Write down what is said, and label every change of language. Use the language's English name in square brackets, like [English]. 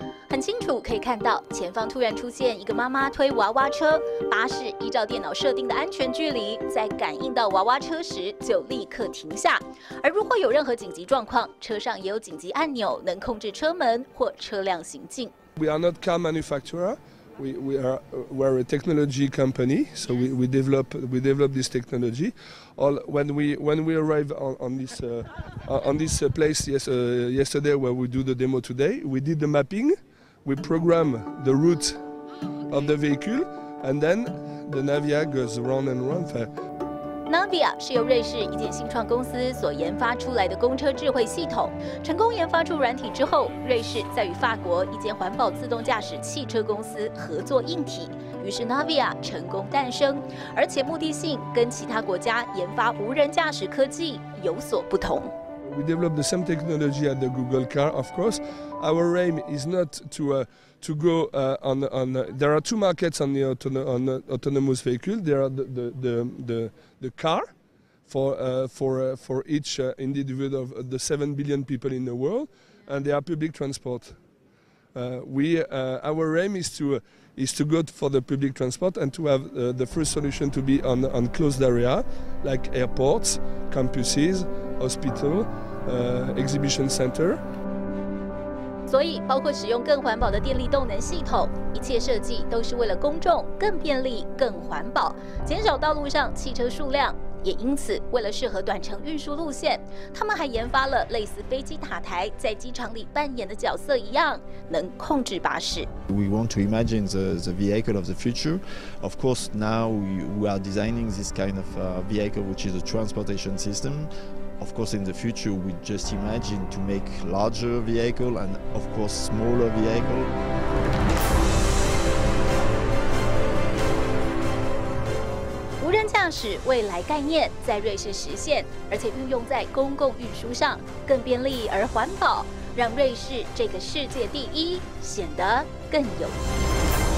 [Chinese] 很清楚可以看到，前方突然出现一个妈妈推娃娃车，巴士依照电脑设定的安全距离，在感应到娃娃车时就立刻停下。而如果有任何紧急状况，车上也有紧急按钮能控制车门或车辆行进。 [English] We are not car manufacturer, we are a technology company, so we develop this technology. All when we arrive on this place yesterday where we do the demo today, we did the mapping. We program the route of the vehicle, and then the Navia goes round and round. [Chinese] Navia 是由瑞士一间新创公司所研发出来的公车智慧系统。成功研发出软体之后，瑞士在与法国一间环保自动驾驶汽车公司合作硬体，于是 Navia 成功诞生，而且目的性跟其他国家研发无人驾驶科技有所不同。 [English] We developed the same technology as the Google car, of course. Our aim is not to go on. There are two markets on the autonomous vehicle. There are the car for each individual of the 7 billion people in the world, and there are public transport. Our aim is to go for the public transport and to have the first solution to be on closed area, like airports, campuses, hospital. Exhibition Center. [Chinese] 所以包括使用更环保的电力动能系统，一切设计都是为了公众更便利更环保，减少道路上汽车数量。也因此为了适合短程运输路线，他们还研发了类似飞机塔台在机场里扮演的角色一样，能控制巴士。 [English] We want to imagine the vehicle of the future. Of course now we are designing this kind of vehicle which is a transportation systemOf course, in the future, we just imagine to make larger vehicle and, of course, smaller vehicle. [Chinese] 无人驾驶未来概念在瑞士实现，而且运用在公共运输上，更便利而环保，让瑞士这个世界第一显得更有意义。